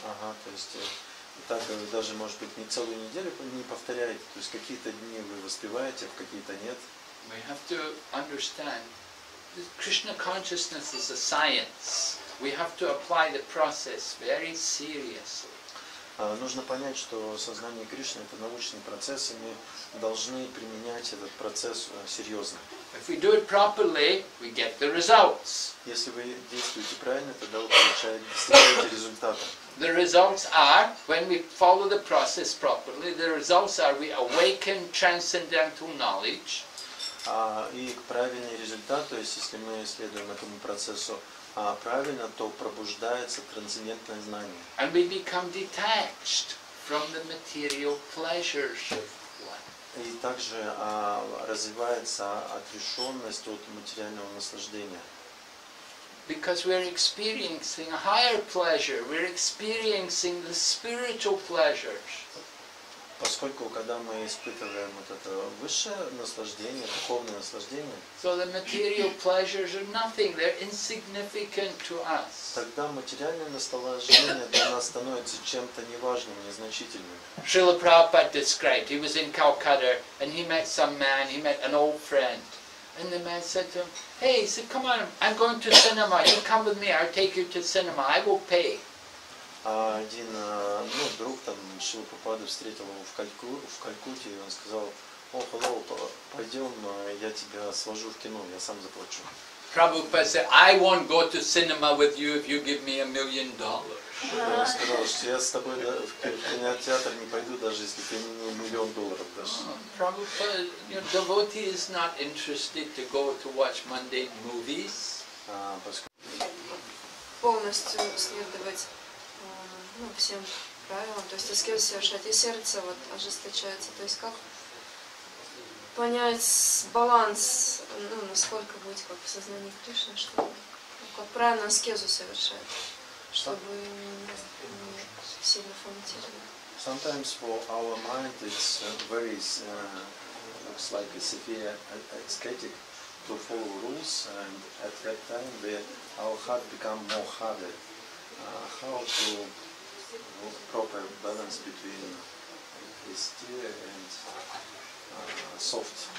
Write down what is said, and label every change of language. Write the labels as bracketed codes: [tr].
[ru] Ага, то есть так даже может быть не целую неделю не повторяете. То есть какие-то дни вы воспеваете, а какие-то нет. [en] We have to understand that Krishna consciousness is a science. We have to apply the process very seriously. [ru] Нужно понять, что сознание Кришны это научный процесс, и мы должны применять этот процесс серьезно. [en] If we do it properly, we get the results. [ru] Если вы действуете правильно, тогда вы получаете результаты. [en] The results are when we follow the process properly. The results are we awaken transcendental knowledge. [ru] И правильный результат, то есть если мы следуем этому процессу правильно, то пробуждается трансцендентное знание. [en] And we become detached from the material pleasures of life. [ru] И также развивается отрешенность от материального наслаждения. [en] Because we're experiencing a higher pleasure, we're experiencing the spiritual pleasures. [ru] Поскольку когда мы испытываем вот это высшее наслаждение, духовное наслаждение, [en] so the material pleasures are nothing, they're insignificant to us. [ru] Тогда материальное наслаждение для нас становится чем-то неважным, незначительным. [en] Шрила Прабхупада described, he was in Calcutta and he met some man, he met an old friend. And the man said to him, hey, he said, come on, I'm going to cinema, you come with me, I'll take you to cinema, I will pay. [ru] Один друг там Шрила Прабхупада встретил его в Калькутте, и он сказал, о, hello, пойдем, я тебя свожу в кино, я сам заплачу. [en] Прабхупада said, I won't go to cinema with you if you give me $1 million. [ru] Он сказал, что я с тобой в кинотеатр не пойду, даже если ты мне $1 million дашь. [en] Прабхупада, your devotee is not interested to go to watch mundane movies. [ru] Полностью следовать. Ну, всем правилам, то есть аскез совершать, и сердце вот ожесточается. То есть как понять баланс, ну, насколько быть как в сознании Кришны, чтобы ну, как правильно аскезу совершать, чтобы не сильно фанатизировать. [en] Sometimes for our mind it's very looks like a severe ascetic to follow rules, and at that time where our heart become more harder. How to proper balance between austere and soft.